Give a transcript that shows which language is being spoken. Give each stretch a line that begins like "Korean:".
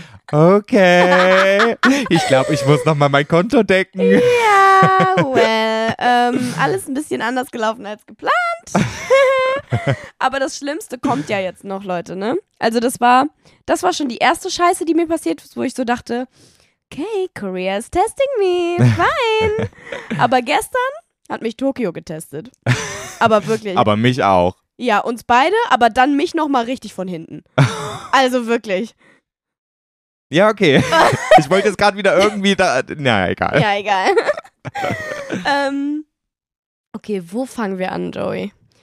German: Okay, ich glaube, ich muss nochmal mein Konto decken. Ja, well, alles ein bisschen anders gelaufen als geplant. Aber das Schlimmste kommt ja jetzt noch, Leute, ne? Also das war schon die erste Scheiße, die mir passiert ist, wo ich so dachte,
English: okay, Korea is testing me, fine.
German: Aber gestern hat mich Tokio getestet. Aber wirklich. Aber mich auch. Ja, uns beide, aber dann mich nochmal richtig von hinten. Also wirklich. Ja, okay. Ich wollte jetzt gerade wieder irgendwie da... Na, egal. Ja, egal. Okay, wo fangen wir an, Joey?